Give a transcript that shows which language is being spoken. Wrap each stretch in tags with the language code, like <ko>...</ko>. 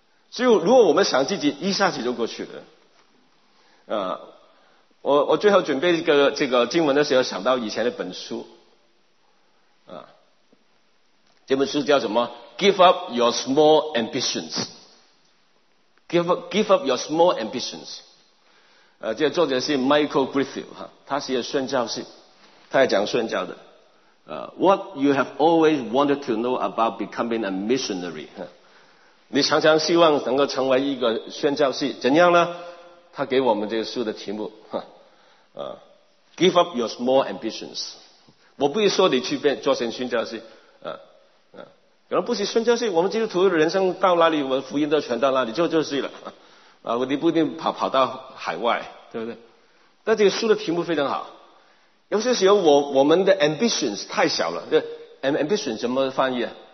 <zh>所以如果我们想自己一下子就过去了，我最后准备这个经文的时候，想到以前的本书，这本书叫什么 ？</zh> <en>Give up your small ambitions. Give up your small ambitions.</en> <zh>这作者是 Michael Griffith， 他是一个宣教士，他也讲宣教的。</zh> <en>What you have always wanted to know about becoming a missionary？</en> <zh>你常常希望能够成为一个宣教士，怎样呢？他给我们这个书的题目。</zh> <en>Give up your small ambitions.</en> <zh>我不是说你去变做成宣教士，可能不是宣教士，我们基督徒的人生到哪里，我们福音都传到哪里，就是了。你不一定跑到海外，对不对？但这个书的题目非常好。有些时候我们的 ambitions 太小了，这 ambition 怎么翻译？</zh>